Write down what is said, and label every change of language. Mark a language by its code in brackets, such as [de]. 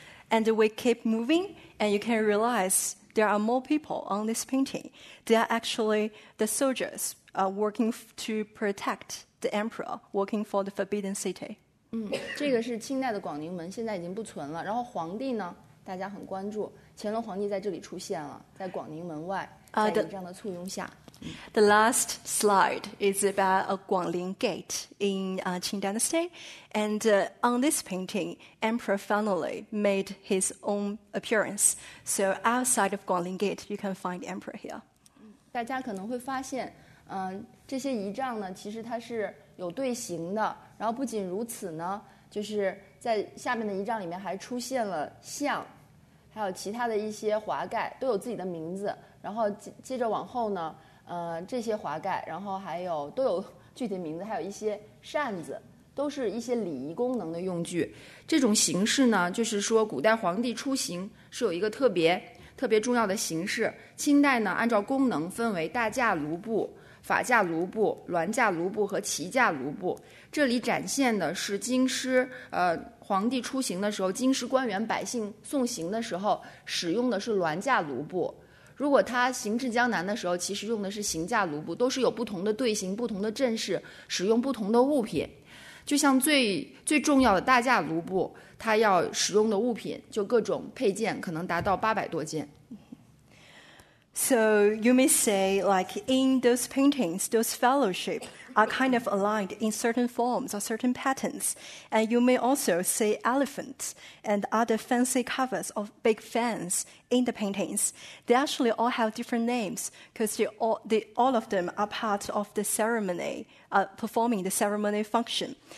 [en] And we keep moving, and you can realize,There are more people on this painting. They are actually the soldiers working to protect the emperor, working for the Forbidden City. [zh] 这个是清代的广宁门，现在已经不存了。然后皇帝呢，大家很关注，乾隆皇帝在这里出现了，在广宁门外，在仪仗的簇拥下。 [en] The last slide is about a Guangling Gate in Qing Dynasty. And on this painting, Emperor finally made his own appearance. So outside of Guangling Gate, you can find Emperor here. [zh] 大家可能会发现，这些仪仗呢，其实它是有队形的。然后不仅如此呢，就是在下面的仪仗里面还出现了像，还有其他的一些华盖，都有自己的名字。然后接着往后呢，这些华盖，然后还有都有具体名字，还有一些扇子，都是一些礼仪功能的用具。这种形式呢，就是说古代皇帝出行是有一个特别重要的形式。清代呢，按照功能分为大驾卢步、法驾卢步、銮驾卢步和骑驾卢步。这里展现的是京师皇帝出行的时候，京师官员百姓送行的时候使用的是銮驾卢步。如果他行至江南的时候，其实用的是行驾卢步，都是有不同的队形、不同的阵势，使用不同的物品。就像最重要的大驾卢步，他要使用的物品，就各种配件，可能达到800多件。 [en] So you may say, like in those paintings, those fellowship are kind of aligned in certain forms or certain patterns. And you may also see elephants and other fancy covers of big fans in the paintings. They actually all have different names because all of them are part of the ceremony, performing the ceremony function.